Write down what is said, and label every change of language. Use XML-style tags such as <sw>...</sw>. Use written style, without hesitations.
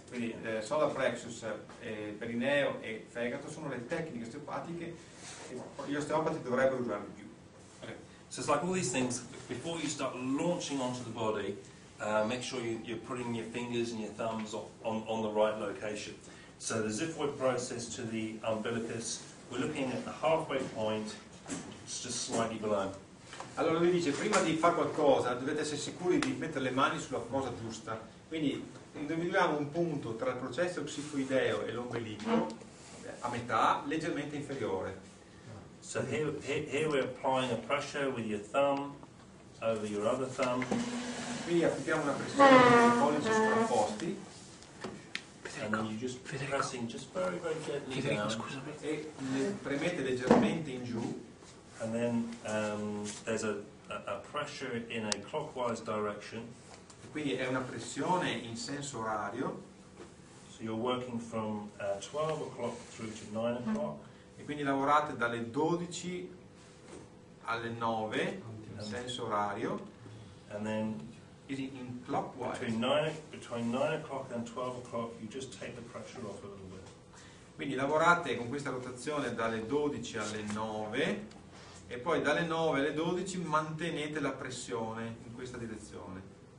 <it>Quindi solar plexus, perineo e fegato sono le tecniche osteopatiche che gli osteopati dovrebbero usare di più.</it> <en>So it's like all these things, before you start launching onto the body, make sure you're putting your fingers and your thumbs on the right location. So the xiphoid process to the umbilicus, we're looking at the halfway point, it's just slightly below.</en> <it>Allora lui dice, prima di fare qualcosa dovete essere sicuri di mettere le mani sulla cosa giusta. Quindi individuiamo un punto tra il processo psicoideo e l'ombelico a metà, leggermente inferiore.</it> <en>So here we're applying a pressure with your thumb over your other thumb.</en> <it>Quindi applichiamo una pressione con i pollici sovrapposti.</it> <en>And you're just pressing just very, very gently down.</en> <it>Scusami. E le premete leggermente in giù.</it> <en>And then there's a pressure in a clockwise direction.</en> <it>Quindi è una pressione in senso orario.</it> <en>So you're working from 12 o'clock through to 9 o'clock.</en> <it>E quindi lavorate dalle 12 alle 9 in senso orario.</it> <en>And then in clockwise. Between 9 o'clock and 12 o'clock you just take the pressure off a little bit.</en> <it>Quindi lavorate con questa rotazione dalle 12 alle 9 e poi dalle 9 alle 12 mantenete la pressione in questa direzione.</it>